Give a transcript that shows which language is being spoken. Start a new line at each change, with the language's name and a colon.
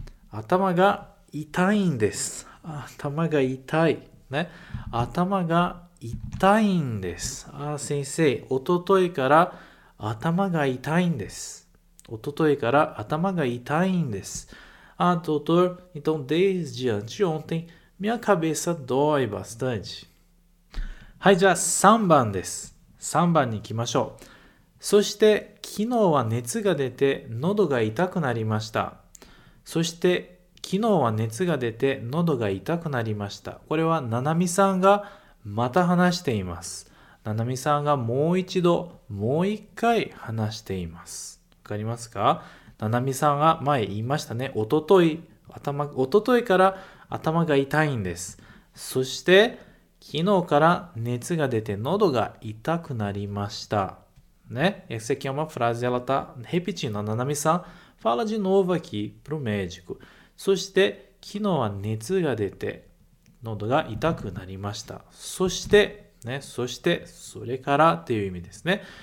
Japanese: 頭が痛いんです。頭が痛い。ね、頭が痛いんです。あ、先生、おとといから頭が痛いんです。おとといから頭が痛いんです。
Portuguese: あ、ドトル、então desde anteontem、minha cabeça dói bastante。
Japanese: はい、じゃあ3番です。3番に行きましょう。そして、昨日は熱が出て喉が痛くなりました。そして、昨日は熱が出て喉が痛くなりました。これは、ななみさんがまた話しています。ななみさんがもう一度、もう一回話しています。わかりますか? ななみさんが前言いましたね。おとといから頭が痛いんです。そして、昨日から熱が出て喉が痛くなりました。
Portuguese: né? Essa aqui é uma frase, ela está repetindo. A Nanami-san fala de novo aqui para o médico.
Japanese: Soして, 昨日は熱が出て、喉が痛くなりました。そして、ね、そして、それからっていう意味ですね。